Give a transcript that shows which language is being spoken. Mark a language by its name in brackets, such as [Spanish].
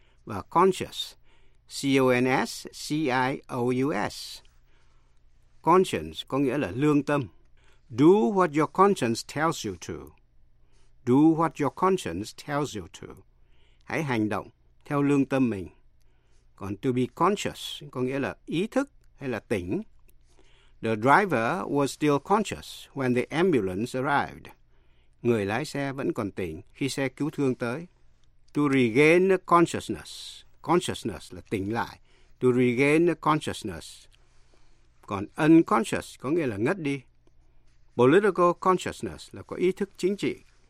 [Vietnamese] Và conscious, C-O-N-S-C-I-O-U-S. Conscience có nghĩa là lương tâm. [English] Do what your conscience tells you to. Do what your conscience tells you to. [Vietnamese] Hãy hành động theo lương tâm mình. Còn [English] to be conscious [Vietnamese] có nghĩa là ý thức hay là tỉnh. [English] The driver was still conscious when the ambulance arrived. [Vietnamese] Người lái xe vẫn còn tỉnh khi xe cứu thương tới. [English] To regain consciousness. Consciousness [Vietnamese] là tỉnh lại. [English] To regain consciousness. [Vietnamese] Còn unconscious có nghĩa là ngất đi. [English] Political consciousness [Vietnamese] là có ý thức chính trị.